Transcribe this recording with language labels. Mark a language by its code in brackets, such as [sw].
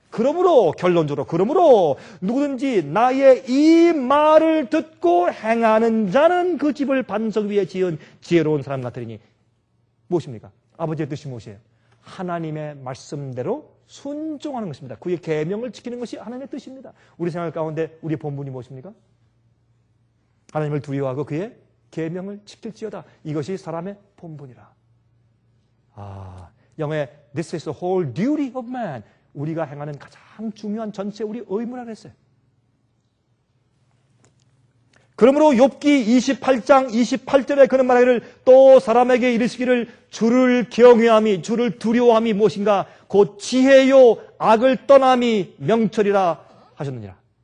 [ko] 그러므로 결론적으로 그러므로 누구든지 나의 이 말을 듣고 행하는 자는 그 집을 반석 위에 지은 지혜로운 사람 같으리니. 무엇입니까? 아버지의 뜻이 무엇이에요? 하나님의 말씀대로 순종하는 것입니다. 그의 계명을 지키는 것이 하나님의 뜻입니다. 우리 생활 가운데 우리의 본분이 무엇입니까? 하나님을 두려워하고 그의 계명을 지킬지어다. 이것이 사람의 본분이라. 아, 영의 [en] This is the whole duty of man. [ko] 우리가 행하는 가장 중요한 전체 우리 의무라고 했어요. 그러므로 욥기 28장 28절에 그는 말하기를 또 사람에게 이르시기를 주를 경외함이 주를 두려워함이 무엇인가 곧 지혜요 악을 떠남이 명철이라 하셨느니라.